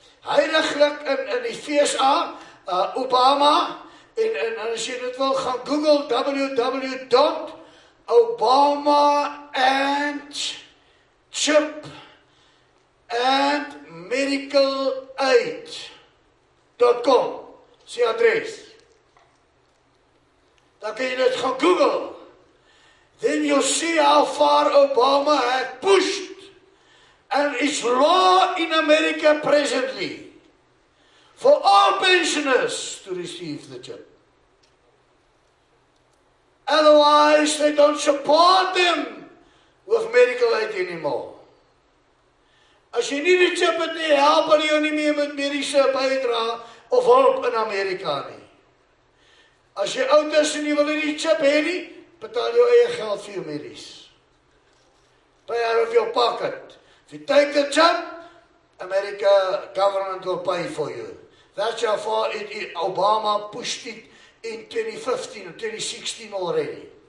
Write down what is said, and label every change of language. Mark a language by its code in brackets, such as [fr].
[af] Heiliglik in die VSA, Obama, en as jy dit wil gaan Google www.obamaandchipandmedicalaid.com, sy adres. Dan kan jy dit gaan Google. [en] Then you see how far Obama had pushed and is law in America presently for all pensioners to receive the chip. Otherwise, they don't support them with medical aid anymore. [af] As jy nie die chip het nie, help hulle jou nie meer met mediese bydra of hulp in Amerika nie. As jy oud is en jy wil nie die chip hê nie, betaal jou eie geld vir jou medies. [en] Pay out of your pocket. If you take the chip, America government will pay for you. That's how far Obama pushed it in 2015 and 2016 already.